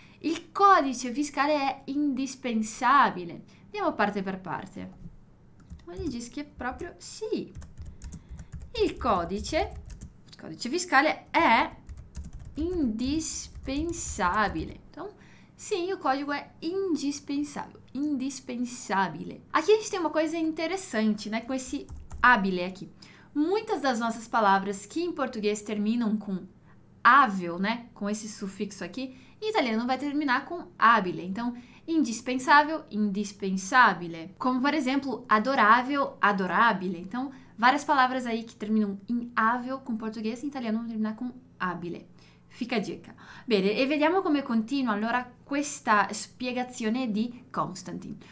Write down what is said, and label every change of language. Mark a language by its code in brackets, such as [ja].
[it] Il codice fiscale è indispensabile. Andiamo parte per parte. Lui dice che è proprio sì. Il codice fiscale è indispensabile. [pt] Então, Sim, o código é indispensável, indispensabile. Aqui a gente tem uma coisa interessante, né, com esse habile aqui. Muitas das nossas palavras que em português terminam com ável, né, com esse sufixo aqui, em italiano vai terminar com habile. Então, indispensável, indispensabile. Como, por exemplo, adorável, adorabile. Então, várias palavras aí que terminam em ável com português, em italiano vão terminar com habile. Fica a dica. [it] Bene, e vediamo come continua allora questa spiegazione di Constantin.